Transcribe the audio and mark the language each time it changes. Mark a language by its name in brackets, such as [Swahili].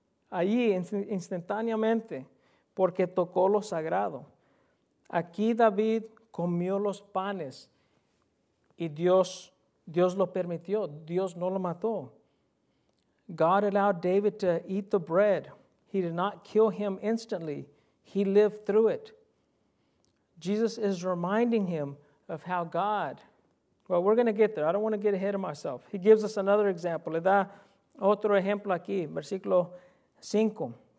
[Spanish] Allí instantáneamente, porque tocó lo sagrado. Aquí David comió los panes y Dios lo permitió. Dios no lo mató. [English] God allowed David to eat the bread. He did not kill him instantly. He lived through it. Jesus is reminding him of how God, well, we're going to get there. I don't want to get ahead of myself. He gives us another example. [Spanish] Le da otro ejemplo aquí, versículo 5.